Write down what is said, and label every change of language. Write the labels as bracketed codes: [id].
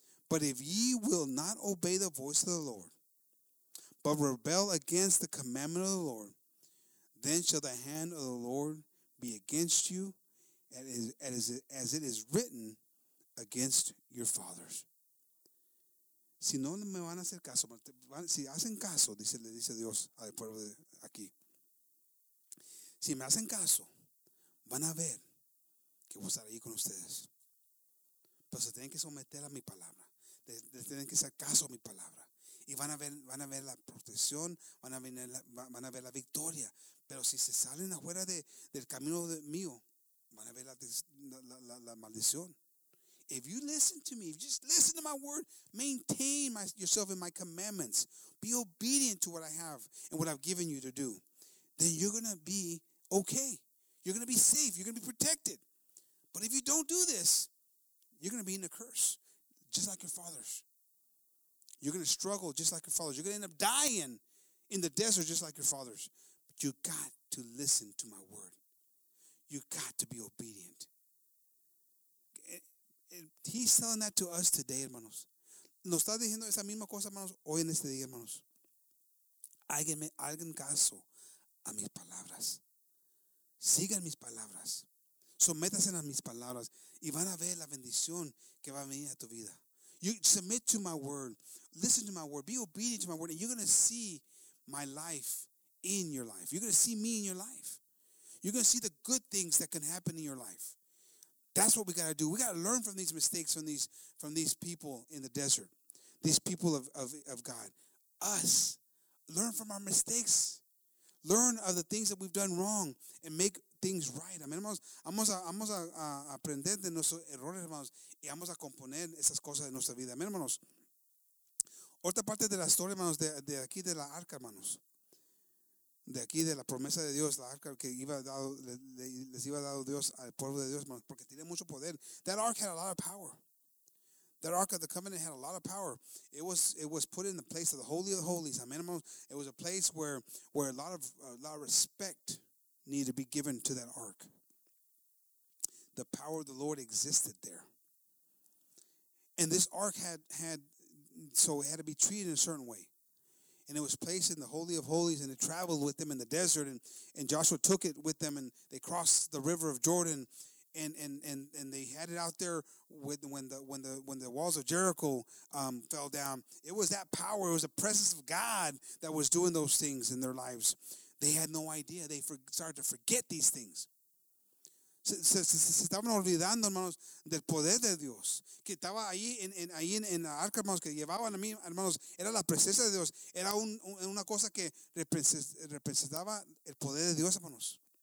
[en] But if ye will not obey the voice of the Lord, but rebel against the commandment of the Lord, then shall the hand of the Lord be against you, as it is written, against your fathers. [es] Si no me van a hacer caso, si hacen caso, dice Dios al pueblo de aquí. Si me hacen caso, van a ver que voy a estar ahí con ustedes. Pero se tienen que someter a mi palabra. Les tienen que hacer caso a mi palabra. Y van a ver la protección, van a ver la victoria. Pero si se salen afuera del camino mío, van a ver la maldición. [en] If you listen to me, if you just listen to my word, maintain yourself in my commandments. Be obedient to what I have and what I've given you to do. Then you're going to be okay. You're going to be safe. You're going to be protected. But if you don't do this, you're going to be in a curse. Just like your fathers. You're going to struggle just like your fathers. You're going to end up dying in the desert just like your fathers. But you got to listen to my word. You got to be obedient. And he's telling that to us today, hermanos. [es] Nos está diciendo esa misma cosa, hermanos, hoy en este día, hermanos. Hagan caso a mis palabras. Sigan mis palabras. Sométanse a mis palabras. Y van a ver la bendición que va a venir a tu vida. [en] You submit to my word. Listen to my word. Be obedient to my word. And you're going to see my life in your life. You're going to see me in your life. You're going to see the good things that can happen in your life. That's what we got to do. We got to learn from these mistakes, from these people in the desert. These people of God. Us. Learn from our mistakes. Learn of the things that we've done wrong and make things right. [es] Amén, hermanos. Vamos a aprender de nuestros errores, hermanos, y vamos a componer esas cosas de nuestra vida. Amén, hermanos. Otra parte de la historia, hermanos, de aquí de la arca, hermanos. De aquí de la promesa de Dios, la arca que les iba dado Dios al pueblo de Dios, hermanos, porque tiene mucho poder. [en] That ark had a lot of power. That ark of the covenant had a lot of power. It was put in the place of the Holy of the Holies. Amén, hermanos. It was a place where a lot of respect need to be given to that ark. The power of the Lord existed there. And this ark had to be treated in a certain way. And it was placed in the Holy of Holies, and it traveled with them in the desert. And Joshua took it with them, and they crossed the river of Jordan. And they had it out there with, when the walls of Jericho fell down. It was that power. It was the presence of God that was doing those things in their lives. They had no idea. They started to forget these things. [es] Se estaban olvidando, hermanos, del poder de Dios que estaba ahí en la arca, hermanos, que llevaban a mí, hermanos. Era la presencia de Dios. Era una cosa que representaba el poder de Dios, hermanos.